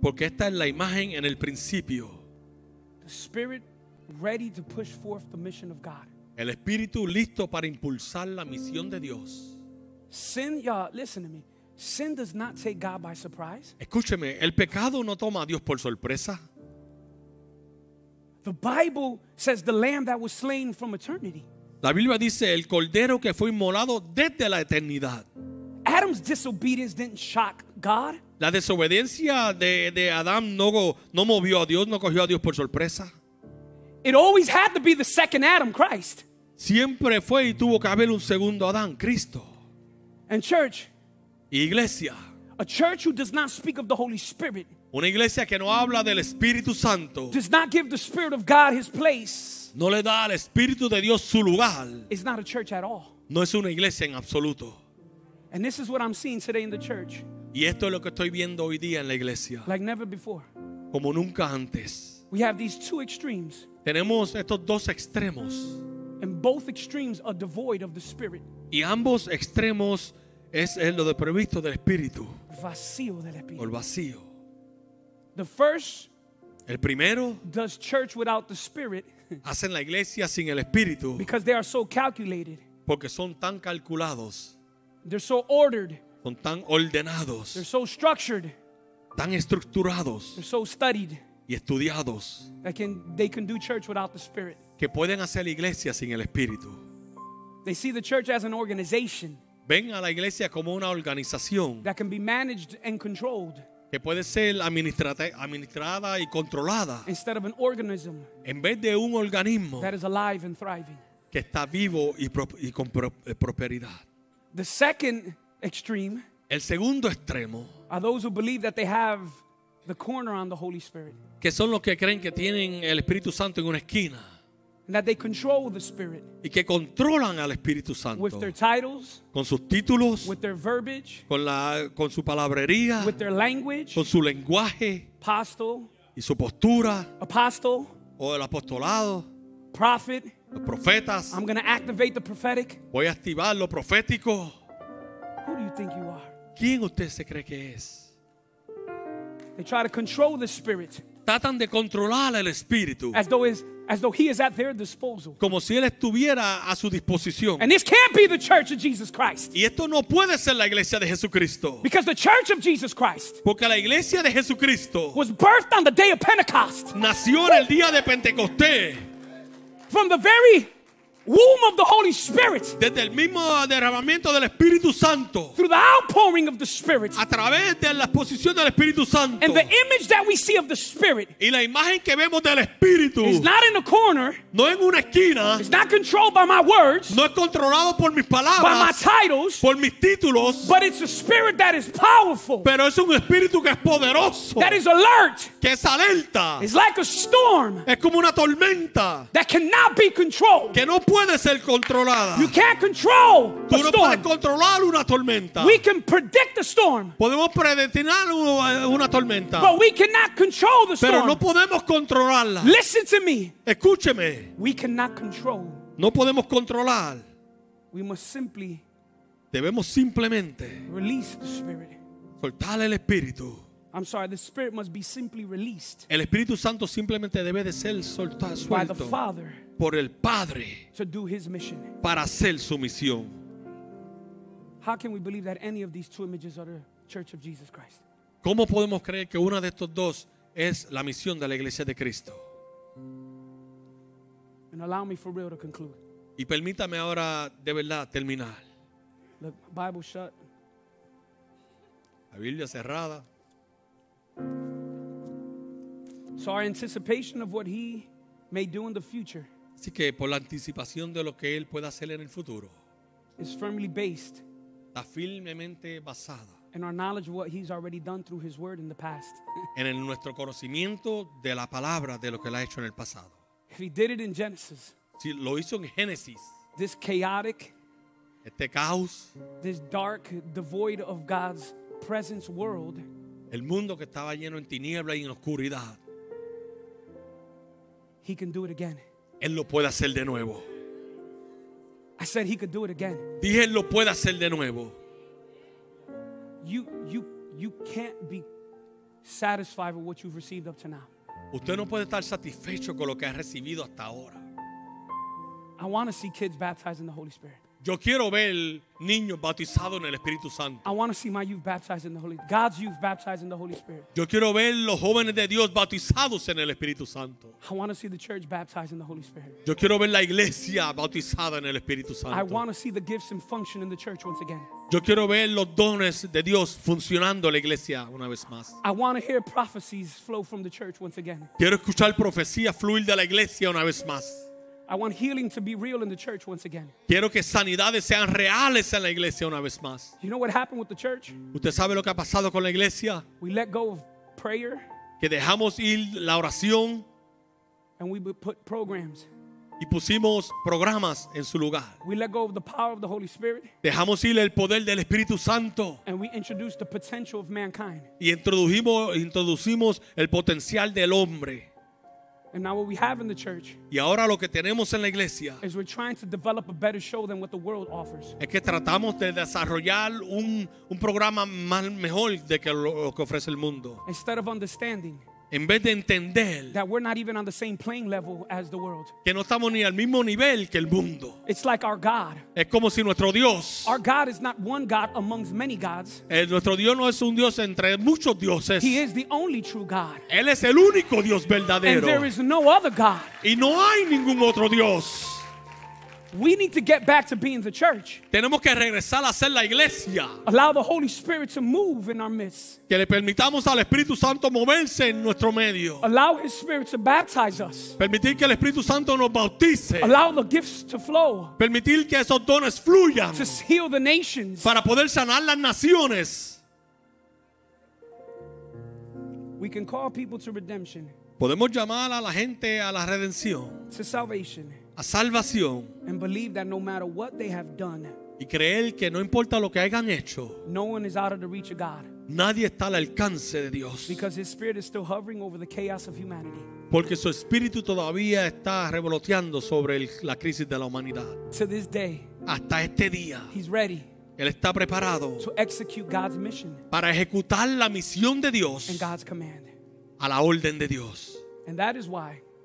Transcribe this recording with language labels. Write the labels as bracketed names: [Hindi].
[Spanish] Porque esta es la imagen en el principio. [English] The Spirit ready to push forth the mission of God. [Spanish] El Espíritu listo para impulsar la misión de Dios. [English] Sin, y'all, listen to me. Sin does not take God by surprise. [Spanish] Escúcheme, el pecado no toma a Dios por sorpresa. [English] The Bible says the lamb that was slain from eternity. [Spanish] La Biblia dice el cordero que fue inmolado desde la eternidad. [English] Adam's disobedience didn't shock God. [Spanish] La desobediencia de Adán no movió a Dios, no cogió a Dios por sorpresa. [English] It always had to be the second Adam, Christ. [Spanish] Siempre fue y tuvo que haber un segundo Adán, Cristo. [English] And church. [Spanish] Y iglesia. [English] A church who does not speak of the Holy Spirit. [Spanish] Una iglesia que no habla del Espíritu Santo. [English] Does not give the Spirit of God his place. [Spanish] No le da al Espíritu de Dios su lugar. [English] It's not a church at all. [Spanish] No es una iglesia en absoluto. [English] And this is what I'm seeing today in the church. [Spanish] Y esto es lo que estoy viendo hoy día en la iglesia. [English] Like never before. [Spanish] Como nunca antes. [English] We have these two extremes. [Spanish] Tenemos estos dos extremos. [English] And both extremes are devoid of the Spirit. [Spanish] Y ambos extremos es lo desprovisto del Espíritu. Vacío del Espíritu. O el vacío. [English] The first. [Spanish] El primero. [English] Does church without the Spirit. [Spanish] Hacen la iglesia sin el Espíritu. [English] Because they are so calculated. [Spanish] Porque son tan calculados. [English] They're so ordered. [Spanish] son tan ordenados. [English] They're so structured. [Spanish] Tan estructurados. [English] They're so studied. [Spanish] Y estudiados. [English] They can do church without the Spirit. [Spanish] Que pueden hacer la iglesia sin el Espíritu. [English] They see the church as an organization. [Spanish] Ven a la iglesia como una organización. [English] That can be managed and controlled. [Spanish] Que puede ser administrada y controlada. [English] Instead of an organism. [Spanish] En vez de un organismo. [English] That is alive and thriving. [Spanish] Que está vivo y con prosperidad. [English] The second extreme. [Spanish] El segundo extremo. [English] Are those who believe that they have the corner on the Holy Spirit. [Spanish] Que son los que creen que tienen el Espíritu Santo en una esquina. [English] And that they control the Spirit. [Spanish] Y que controlan al Espíritu Santo. [English] With their titles. [Spanish] Con sus títulos. [English] With their verbiage. [Spanish] Con su palabrería. [English] With their language. [Spanish] Con su lenguaje. [English] Apostle. [Spanish] Y su postura. [English] Apostle. [Spanish] O el apostolado. [English] Prophet. [Spanish] Los profetas. [English] I'm going to activate the prophetic. [Spanish] Voy a activar lo profético. [English] Who do you think you are? [Spanish] ¿Quién usted se cree que es? [English] They try to control the Spirit. [Spanish] Tratan de controlar el Espíritu. [English] As though he is at their disposal. [Spanish] Como si él estuviera a su disposición. [English] And this can't be the church of Jesus Christ. [Spanish] Y esto no puede ser la iglesia de Jesucristo. [English] Because the church of Jesus Christ. [Spanish] Porque la iglesia de Jesucristo. [English] Was birthed on the day of Pentecost. [Spanish] Nació en el día de Pentecostés. [English] From the very womb of the Holy Spirit. [Spanish] Desde el mismo derramamiento del Espíritu Santo. [English] Through the outpouring of the Spirit. [Spanish] A través de la exposición del Espíritu Santo. [English] And the image that we see of the Spirit. [Spanish] Y la imagen que vemos del Espíritu. [English] Is not in a corner. [Spanish] No en una esquina. [English] It's not controlled by my words. [Spanish] No es controlado por mis palabras. [English] By my titles. [Spanish] Por mis títulos. [English] But it's a Spirit that is powerful. [Spanish] Pero es un Espíritu que es poderoso. [English] That is alert. [Spanish] Que es alerta. [English] It's like a storm. [Spanish] Es como una tormenta. [English] That cannot be controlled. [Spanish] Que no puede ser controlada. [English] You can't control a storm. [Spanish] Tú no puedes controlar una tormenta. [English] We can predict the storm. [Spanish] Podemos predecir una tormenta. [English] But we cannot control the storm. [Spanish] Pero no podemos controlarla. [English] Listen to me. [Spanish] Escúcheme. [English] We cannot control. [Spanish] No podemos controlar. [English] We must simply. [Spanish] Debemos simplemente. [English] Release the Spirit. [Spanish] Soltar el Espíritu. [English] I'm sorry, the Spirit must be simply released. [Spanish] El Espíritu Santo simplemente debe de ser suelto. [English] By the Father. [Spanish] Por el Padre. [English] To do his mission. [Spanish] Para hacer su misión. [English] How can we believe that any of these two images are the Church of Jesus Christ? [Spanish] ¿Cómo podemos creer que una de estos dos es la misión de la Iglesia de Cristo? [English] And allow me for real to conclude. [Spanish] Y permítame ahora de verdad terminar. [English] The Bible shut. [Spanish] La Biblia cerrada. [English] So our anticipation of what he may do in the future. [Spanish] Así que por la anticipación de lo que él pueda hacer en el futuro. [English] Is firmly based. [Spanish] Está firmemente basada. [English] In our knowledge of what he's already done through his word in the past. [Spanish] En el nuestro conocimiento de la palabra de lo que él ha hecho en el pasado. [English] If he did it in Genesis. [Spanish] Si lo hizo en Génesis. [English] This chaotic. [Spanish] Este caos. [English] This dark, devoid of God's presence world. [Spanish] El mundo que estaba lleno en tiniebla y en oscuridad. [English] He can do it again. [Spanish] Él lo puede hacer de nuevo. [English] I said he could do it again. [Spanish] Dije él lo puede hacer de nuevo. [English] You can't be satisfied with what you've received up to now. [Spanish] Usted no puede estar satisfecho con lo que ha recibido hasta ahora. [English] I want to see kids baptized in the Holy Spirit. [Spanish] Yo quiero ver niños bautizados en el Espíritu Santo. [English] I want to see my youth baptized in the Holy, God's youth baptized in the Holy Spirit. [Spanish] Yo quiero ver los jóvenes de Dios bautizados en el Espíritu Santo. [English] I want to see the church baptized in the Holy Spirit. [Spanish] Yo quiero ver la iglesia bautizada en el Espíritu Santo. [English] I want to see the gifts in function in the church once again. [Spanish] Yo quiero ver los dones de Dios funcionando en la iglesia una vez más. [English] I want to hear prophecies flow from the church once again. [Spanish] Quiero escuchar profecía fluir de la iglesia una vez más. [English] I want healing to be real in the church once again. [Spanish] Quiero que sanidades sean reales en la iglesia una vez más. [English] You know what happened with the church? [Spanish] ¿Usted sabe lo que ha pasado con la iglesia? [English] We let go of prayer. [Spanish] Que dejamos ir la oración. [English] And we put programs. [Spanish] Y pusimos programas en su lugar. [English] We let go of the power of the Holy Spirit. [Spanish] Dejamos ir el poder del Espíritu Santo. [English] And we introduced the potential of mankind. [Spanish] Y introducimos el potencial del hombre. [English] And now what we have in the church. [Spanish] Y ahora lo que tenemos en la iglesia. [English] Is we're trying to develop a better show than what the world offers. [Spanish] Es que tratamos de desarrollar un programa más mejor de que lo que ofrece el mundo. [English] Instead of understanding. [Spanish] En vez de entender, [English] that we're not even on the same playing level as the world. [Spanish] Que no estamos ni al mismo nivel que el mundo. [English] It's like our God. [Spanish] Es como si nuestro Dios. [English] Our God is not one God amongst many gods. [Spanish] Nuestro Dios no es un Dios entre muchos dioses. [English] He is the only true God. [Spanish] Él es el único Dios verdadero. [English] And there is no other God. [Spanish] Y no hay ningún otro Dios. [English] We need to get back to being the church. [Spanish] Tenemos que regresar a ser la iglesia. [English] Allow the Holy Spirit to move in our midst. [Spanish] Que le permitamos al Espíritu Santo moverse en nuestro medio. [English] Allow His Spirit to baptize us. [Spanish] Permitir que el Espíritu Santo nos bautice. [English] Allow the gifts to flow. [Spanish] Permitir que esos dones fluyan. [English] To heal the nations. [Spanish] Para poder sanar las naciones. [English] We can call people to redemption. [Spanish] Podemos llamar a la gente a la redención. [English] To salvation. [Spanish] A salvación. [English] And believe that no matter what they have done, [Spanish] y creer que no importa lo que hayan hecho, [English] no one is out of the reach of God. [Spanish] Nadie está al alcance de Dios. [English] Because His Spirit is still hovering over the chaos of humanity. [Spanish] Porque su espíritu todavía está revoloteando sobre la crisis de la humanidad. [English] To this day, [Spanish] hasta este día, [English] He's ready. [Spanish] Él está preparado [English] to execute God's mission. [Spanish] Para ejecutar la misión de Dios. [English] And God's command. [Spanish] A la orden de Dios. [English] And that is why.